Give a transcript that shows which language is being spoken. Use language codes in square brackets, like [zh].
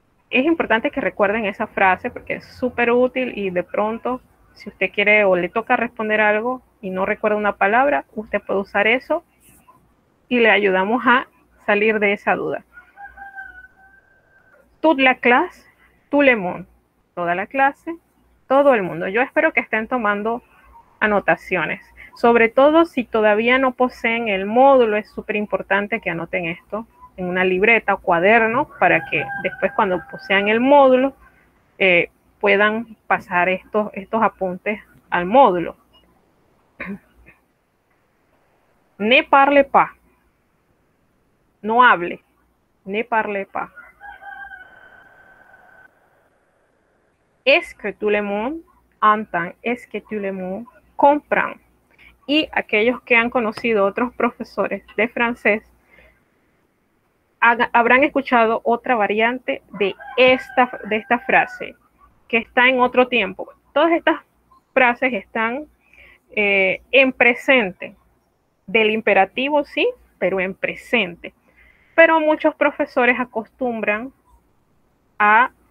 [es] Es importante que recuerden esa frase porque es súper útil y de pronto, si usted quiere o le toca responder algo y no recuerda una palabra, usted puede usar eso y le ayudamos a salir de esa duda. [fr] Toute la classe, tout le monde. [es] Toda la clase, todo el mundo. Yo espero que estén tomando anotaciones. Sobre todo si todavía no poseen el módulo, es súper importante que anoten esto en una libreta o cuaderno para que después, cuando posean el módulo, puedan pasar estos apuntes al módulo. [fr] Ne parle pas. [es] No hable. [fr] Ne parle pas. Est-ce que tout le monde entend? Est-ce que tout le monde comprend? [es] Y aquellos que han conocido otros profesores de francés habrán escuchado otra variante de esta frase, que está en otro tiempo. Todas estas frases están en presente, del imperativo sí, pero en presente. Pero muchos profesores acostumbran a